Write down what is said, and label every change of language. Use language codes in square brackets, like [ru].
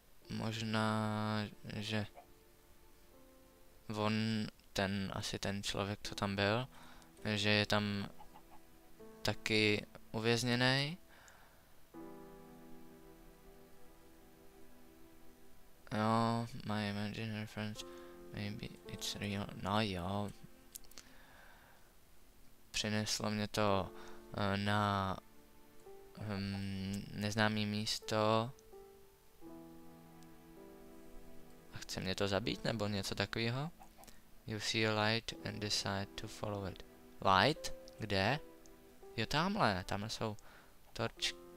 [cs] možná, že on, ten, asi ten člověk, co tam byl, že je tam taky uvězněný. [en] No, my imaginary friends, maybe it's real, [cs] no jo. Přineslo mě to na neznámý místo. A chce mě to zabít nebo něco takového? [en] You see a light and decide to follow it. [cs] Light? Kde? Jo, tamhle, tamhle jsou torčky.